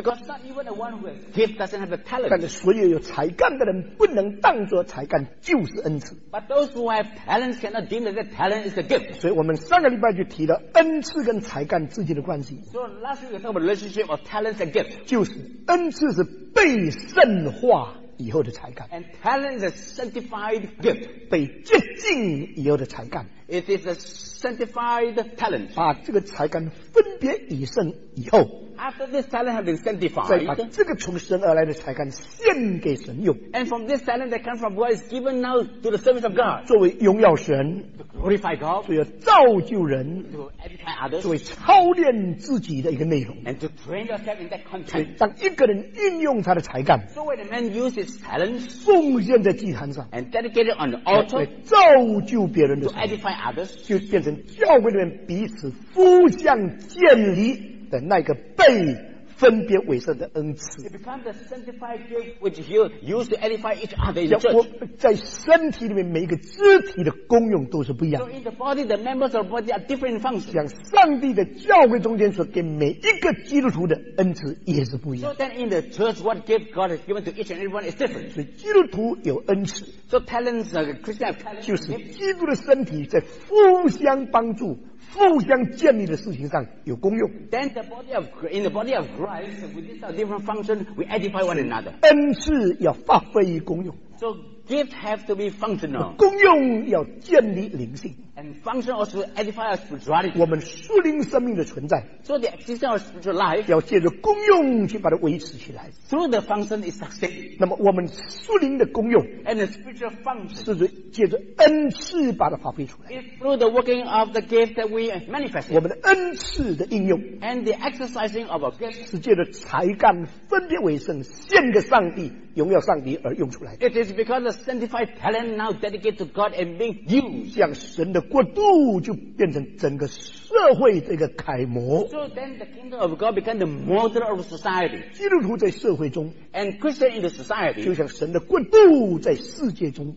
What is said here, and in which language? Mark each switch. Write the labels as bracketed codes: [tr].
[en] Because not even the one who has gift doesn't have a talent. [zh] 但是所有有才干的人不能当作才干就是恩赐。 [en] But those who have talents cannot deem that talent is a gift. [zh] 所以我们上个礼拜就提了恩赐跟才干之间的关系。 [en] So last week we talked about the relationship of talents and gifts. [zh] 就是恩赐是被圣化以后的才干。 [en] And talent is a sanctified gift. [zh] 被洁净以后的才干。 [en] It is a sanctified talent. [zh] 把这个才干分别以圣以后。 [en] After this talent has been sanctified, [zh] 再把这个从神而来的才干献给神用。 [en] And from this talent that comes from God is given now to the service of God. [zh] 作为荣耀神。 [en] To glorify God. [zh] 作为造就人。 [en] To edify others. [zh] 作为操练自己的一个内容。 [en] And to train yourself in that content. [zh] 当一个人运用他的才干。 [en] So when a man uses his talent. [zh] 奉献在祭坛上。 [en] And dedicate it on the altar. [zh] 来造就别人的。 [en] To edify others. [zh] 就变成教会里面彼此互相建立。的那个被分别为圣的恩赐 [en] It becomes the sanctified gift which you use to edify each other in the church [zh] 在身体里面每一个肢体的功用都是不一样 [en] So in the body, the members of the body are different functions [zh] 像上帝的教会中间所给每一个基督徒的恩赐也是不一样 [en] So then in the church, what gift God has given to each and everyone is different [zh] 所以基督徒有恩赐 [en] So talents, Christian have talents [zh] 就是基督的身体在互相帮助互相建立的事情上有功用。 [en] Then the body of in the body of Christ, with these different functions, we edify one another. [zh] 恩赐要发挥功用。 [en] So gifts have to be functional. [zh] 功用要建立灵性。 [en] And function also edify our spirituality. [zh] 我们属灵生命的存在。 [en] So the existence of spiritual life. [zh] 要借着功用去把它维持起来。 [en] Through the function is sustained. [zh] 那么我们属灵的功用。 [en] And the spiritual function. [zh] 是指借着恩赐把它发挥出来。 [en] It's through the working of the gift that we manifest. [zh] 我们的恩赐的应用。 [en] And the exercising of our gift. [zh] 是借着才干分别为圣，献给上帝，荣耀上帝而用出来。 [en] It is because the sanctified talent now dedicated to God and being used. [zh] 向神的国度就变成整个社会的一个楷模。 [en] So then the kingdom of God became the model of society. [zh] 基督徒在社会中 [en] ，and Christian in the society， [zh] 就像神的国度在世界中。